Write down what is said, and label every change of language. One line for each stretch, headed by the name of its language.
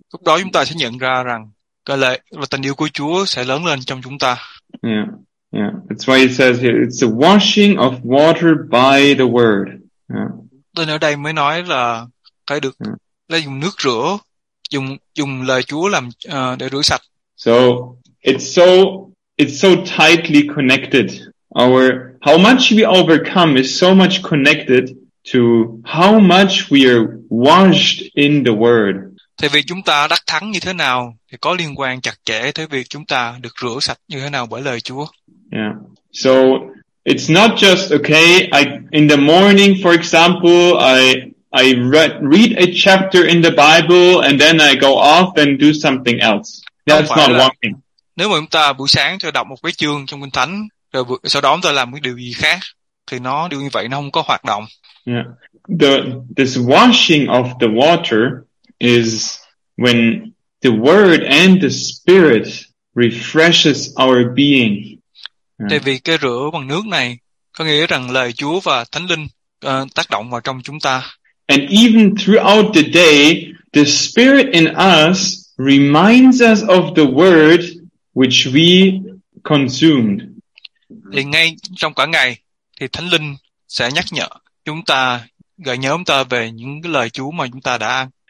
Vietnamese: Lúc đó chúng ta sẽ nhận ra rằng cái lời và tình yêu của Chúa sẽ lớn lên trong chúng ta.
English: Yeah. Yeah, that's why it says here, it's the washing of water by the word.
Vietnamese: Tôi ở đây mới nói là cái được lấy dùng nước rửa, dùng lời Chúa làm để rửa sạch.
English: So it's so tightly connected. How much we overcome is so much connected to how much we are washed in the word.
Vietnamese: Thì việc chúng ta đắc thắng như thế nào thì có liên quan chặt chẽ tới việc chúng ta được rửa sạch như thế nào bởi lời Chúa.
English: Yeah. So it's not just okay, in the morning, for example, I read a chapter in the Bible and then I go off and do something else. That's not walking.
Vietnamese: Nếu mà chúng ta buổi sáng cho đọc một cái chương trong Kinh Thánh rồi sau đó chúng ta làm cái điều gì khác thì nó điều như vậy nó không có hoạt động.
English: Yeah. This washing of the water is when the word and the spirit refreshes our being.
Vietnamese: Tại vì cái rửa bằng nước này có nghĩa rằng lời Chúa và Thánh Linh tác động vào trong chúng ta.
English: And even throughout the day, the spirit in us reminds us of the word which we consumed.
Vietnamese: Thì ngay trong cả ngày thì Thánh Linh sẽ nhắc nhở chúng ta, gợi nhớ chúng ta về những cái lời Chúa mà chúng ta đã ăn.